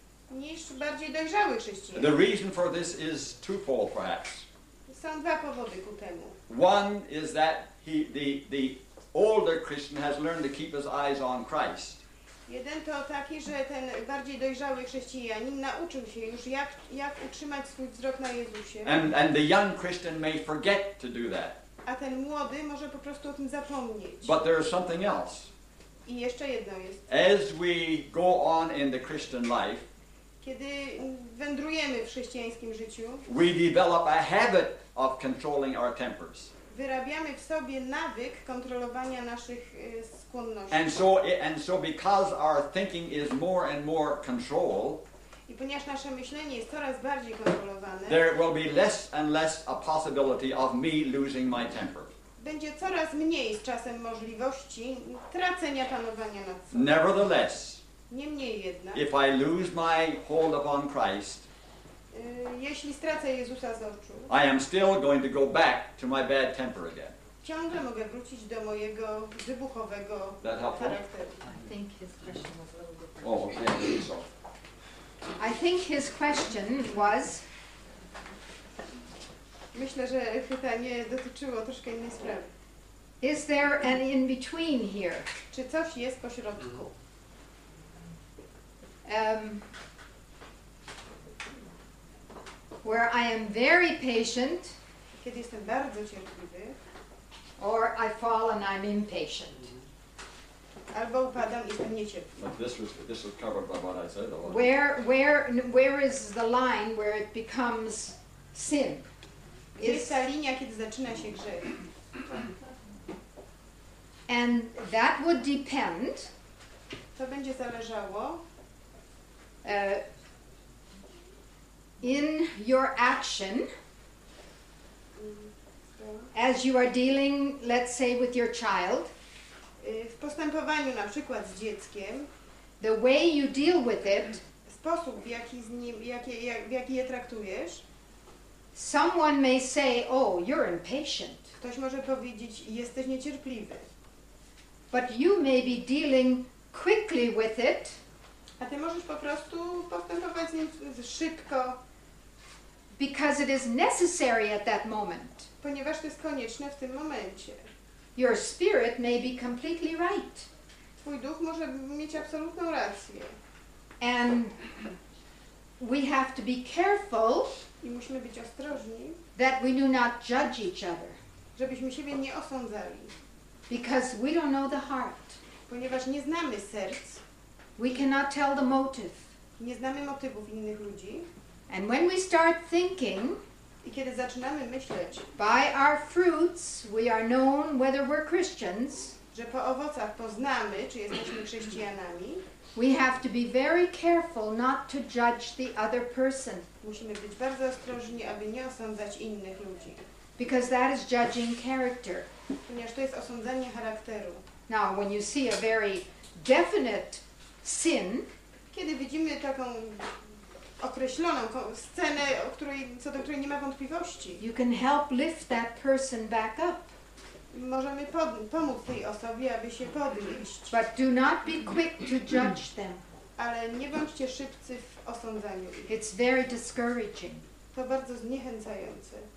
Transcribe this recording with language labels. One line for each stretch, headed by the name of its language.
Polish: niż bardziej dojrzały chrześcijanin.
English: The reason for this is twofold, perhaps.
Polish: Są dwa powody ku temu.
English: One is that the older Christian has learned to keep his eyes on Christ.
Polish: Jeden to taki, że ten bardziej dojrzały chrześcijanin nauczył się już jak utrzymać swój wzrok na Jezusie.
English: And the young Christian may forget to do that.
Polish: A ten młody może po prostu o tym zapomnieć.
English: But there is something else.
Polish: I jeszcze jedno jest.
English: As we go on in the Christian life,
Polish: kiedy wędrujemy w chrześcijańskim życiu,
English: we develop a habit of controlling our tempers.
Polish: Wyrabiamy w sobie nawyk kontrolowania naszych skłonności.
English: And so because our thinking is more and more controlled,
Polish: i ponieważ nasze myślenie jest coraz bardziej kontrolowane,
English: there will be less and less a possibility of me losing my temper.
Polish: Będzie coraz mniej z czasem możliwości tracenia panowania nad sobą.
English: Nevertheless,
Polish: niemniej jednak,
English: if I lose my hold upon Christ,
Polish: jeśli stracę Jezusa z oczu,
English: I am still going to go back to my bad temper again.
Polish: Ciągle mogę wrócić do mojego wybuchowego charakteru.
English: I think his question was a little different. I think his question was.
Polish: Myślę, że pytanie dotyczyło troszkę innej sprawy.
English: Is there an in between here?
Polish: Czy coś jest po środku?
English: Where I am very patient.
Polish: Kiedy jestem bardzo cierpliwy.
English: Or I fall and I'm impatient.
Polish: Albo upadam i jestem niecierpliwy.
English: But this was covered by what I said. Where is the line where it becomes sin?
Polish: Jest ta linia, kiedy zaczyna się grzech.
English: And that would depend.
Polish: To będzie zależało.
English: In your action, as you are dealing, let's say, with your child,
Polish: w postępowaniu na przykład z dzieckiem,
English: the way you deal with it,
Polish: sposób, w jaki z nim, w jaki je traktujesz.
English: Someone may say, oh, you're impatient.
Polish: Ktoś może powiedzieć, jesteś niecierpliwy.
English: But you may be dealing quickly with it.
Polish: A ty możesz po prostu postępować z nim szybko.
English: Because it is necessary at that moment.
Polish: Ponieważ to jest konieczne w tym momencie.
English: Your spirit may be completely right.
Polish: Twój duch może mieć absolutną rację.
English: And we have to be careful.
Polish: I musimy być ostrożni.
English: That we do not judge each other.
Polish: Żebyśmy siebie nie osądzali.
English: Because we don't know the heart.
Polish: Ponieważ nie znamy serc.
English: We cannot tell the motive.
Polish: Nie znamy motywów innych ludzi.
English: And when we start thinking,
Polish: i kiedy zaczynamy myśleć,
English: by our fruits we are known whether we're Christians,
Polish: że po owocach poznamy, czy jesteśmy chrześcijanami,
English: we have to be very careful not to judge the other person.
Polish: Musimy być bardzo ostrożni, aby nie osądzać innych ludzi.
English: Because that is judging character.
Polish: Ponieważ to jest osądzanie charakteru.
English: Now, when you see a very definite sin,
Polish: kiedy widzimy taką określoną scenę, o której, co do której nie ma wątpliwości,
English: you can help lift that person back up.
Polish: Możemy pomóc tej osobie, aby się podnieść.
English: But do not be quick to judge them.
Polish: Ale nie bądźcie szybcy w osądzaniu ich.
English: It's very discouraging.
Polish: To bardzo zniechęcające.